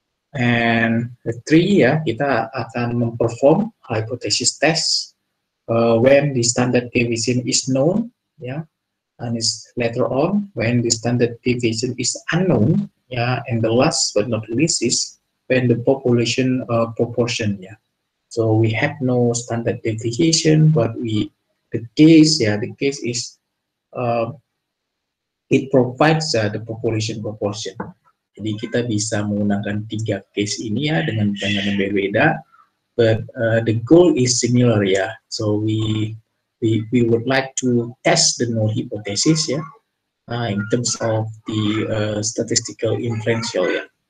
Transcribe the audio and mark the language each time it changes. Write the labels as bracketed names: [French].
[English] And the three ya, [Indonesian] kita akan memperform [English] hypothesis test when the standard deviation is known ya, and is later on when the standard deviation is unknown ya, and the last but not least is when the population proportion ya. So we have no standard deviation, but the case is it provides the population proportion. [Indonesian] Jadi kita bisa menggunakan 3 case ini ya dengan banyak yang berbeda, [English] but the goal is similar [Indonesian] ya. [English] So we would like to test the null hypothesis ya in terms of the statistical inferential ya.